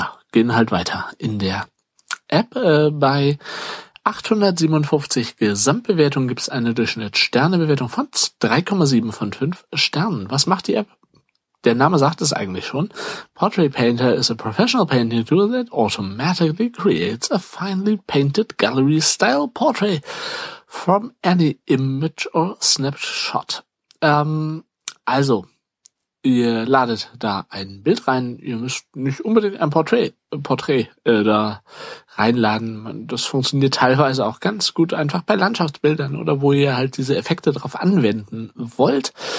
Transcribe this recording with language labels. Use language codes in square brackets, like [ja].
[de] Gehen halt weiter in der App. Bei 857 Gesamtbewertungen gibt es eine Durchschnitt-Sternebewertung von 3,7 von 5 Sternen. Was macht die App? Der Name sagt es eigentlich schon. [en] Portrait Painter is a professional painting tool that automatically creates a finely painted gallery-style portrait from any image or snapshot. [de] Also, ihr ladet da ein Bild rein. Ihr müsst nicht unbedingt ein Porträt da reinladen. Das funktioniert teilweise auch ganz gut einfach bei Landschaftsbildern oder wo ihr halt diese Effekte drauf anwenden wollt.